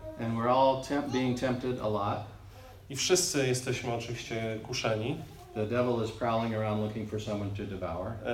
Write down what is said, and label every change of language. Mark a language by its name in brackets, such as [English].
[English] And we're all being tempted a lot. [Polish] I wszyscy jesteśmy oczywiście kuszeni. [English] The devil is prowling around looking for someone to devour.